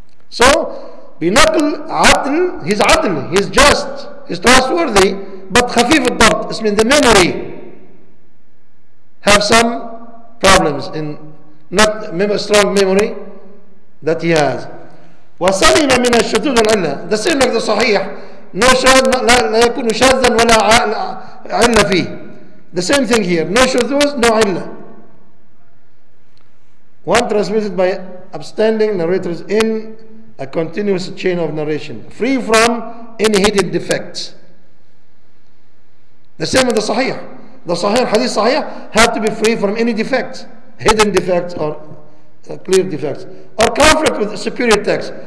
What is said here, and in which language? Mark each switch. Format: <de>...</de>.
<en>So,</en> <ar>بنقل عدل,</ar> <en>he's عدل, he's just, he's trustworthy, but</en> <ar>خفيف الضغط,</ar> <en>it's mean the memory have some problems in not strong memory that he has.</en> <ar>وسلم من الشذوذ العلة,</ar> <en>the same like the</en> <ar>صحيح, no شذ, لا, لا يكون شاذا ولا علة فيه.</ar> <en>The same thing here, no شذوذ, no علة. One transmitted by upstanding narrators in a continuous chain of narration, free from any hidden defects. The same with the Sahih. The Sahih, Hadith Sahih, have to be free from any defects, hidden defects or clear defects, or conflict with superior text.</en>